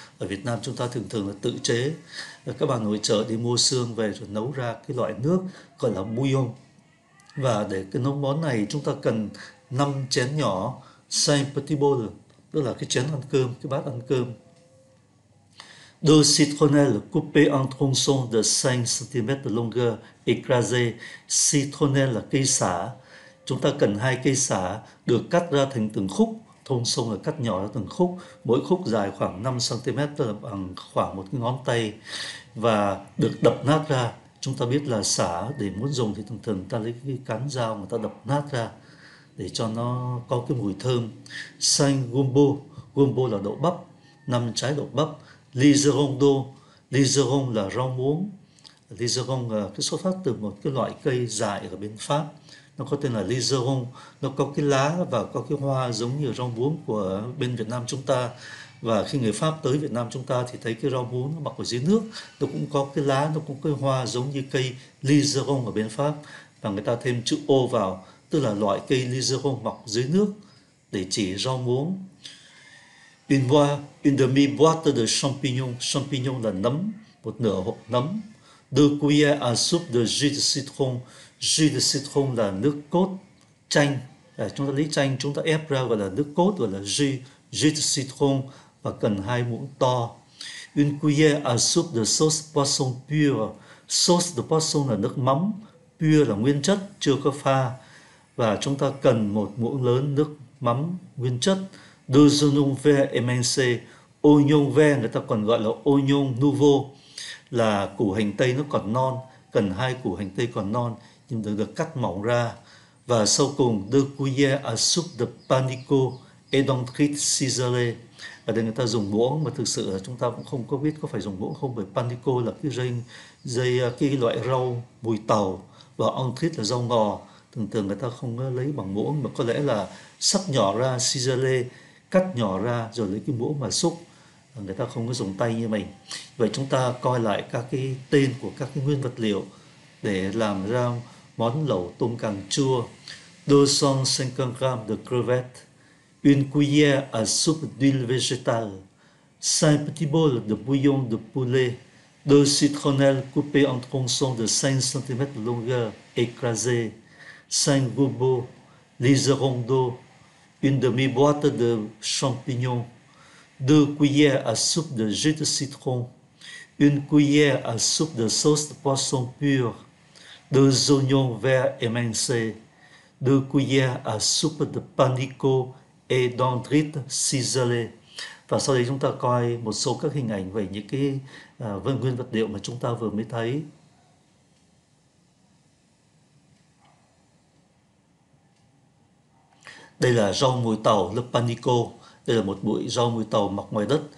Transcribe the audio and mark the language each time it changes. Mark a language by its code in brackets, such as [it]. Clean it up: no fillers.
[vi] Ở Việt Nam chúng ta thường thường là tự chế, các bà nội trợ đi mua xương về rồi nấu ra cái loại nước gọi là bouillon. Và để cái nấu món này chúng ta cần 5 chén nhỏ, [fr] 5 petits bols, [vi] tức là cái chén ăn cơm, cái bát ăn cơm. [fr] 2 citronelles coupées en tronçons de 5 cm longueur, écrasées. [vi] Citronelle là cây sả. Chúng ta cần 2 cây sả được cắt ra thành từng khúc, thông xong là cắt nhỏ ra từng khúc, mỗi khúc dài khoảng 5 cm, tức là bằng khoảng một cái ngón tay, và được đập nát ra. Chúng ta biết là sả để muốn dùng thì thường thường ta lấy cái cán dao mà ta đập nát ra để cho nó có cái mùi thơm. Xanh gumbo, gumbo là đậu bắp, 5 trái đậu bắp. Lizerondo, lizeron là rau muống, lizeron là cái xuất phát từ một cái loại cây dại ở bên Pháp. Nó có tên là lizeron, nó có cái lá và có cái hoa giống như rau muống của bên Việt Nam chúng ta. Và khi người Pháp tới Việt Nam chúng ta thì thấy cái rau muống nó mọc ở dưới nước, nó cũng có cái lá, nó cũng có cái hoa giống như cây lizeron ở bên Pháp. Và người ta thêm chữ O vào, tức là loại cây lizeron mọc dưới nước để chỉ rau muống. [fr] Une demi-boîte de champignon, [vi] champignon là nấm, một nửa hộp nấm. [fr] 2 cuillères à soupe de jus de citron. [vi] Jus de citron là nước cốt chanh, chúng ta lấy chanh chúng ta ép ra gọi là nước cốt, gọi là jus, [fr] jus de citron. [vi] Và cần 2 muỗng to. [fr] Une cuillère à soupe de sauce poisson pure. Sauce de poisson [vi] là nước mắm, pure là nguyên chất, chưa có pha. Và chúng ta cần 1 muỗng lớn nước mắm nguyên chất. [fr] Deux oignons verts émincés, oignon vert [vi] người ta còn gọi là [fr] oignon nouveau, [vi] là củ hành tây nó còn non, cần 2 củ hành tây còn non nhưng được cắt mỏng ra. Và sau cùng [fr] 2 cuillères à soupe de panico et dentrite ciselée. [vi] Ở đây người ta dùng muỗng mà thực sự là chúng ta cũng không có biết có phải dùng muỗng không, bởi panico là cái dây dây cái loại rau mùi tàu và dentrite là rau ngò. Thường thường người ta không lấy bằng muỗng mà có lẽ là sắc nhỏ ra, ciselée cắt nhỏ ra rồi lấy cái muỗng mà xúc, người ta không có dùng tay như mình. Vậy chúng ta coi lại các cái tên của các cái nguyên vật liệu để làm ra món lẩu tôm càng chua. [fr] 250 g de crevette, une cuillère à soupe d'huile végétale, 5 petits bols de bouillon de poulet, Deux citronnelles coupées en tronçons de 5 cm de longueur, écrasées, 5 gobos, liserons d'eau, une demi-boîte de champignons, 2 cuillères à soupe de jus de citron, une cuillère à soupe de sauce de poisson pur, 2 oignons verts émincés, 2 cuillères à soupe de panicot et dendrites ciselées. [vi] Và sau đây chúng ta coi một số các hình ảnh về những cái nguyên vật liệu mà chúng ta vừa mới thấy. Đây là rau mùi tàu, [fr] le panico. [vi] Đây là một bụi rau mùi tàu mọc ngoài đất.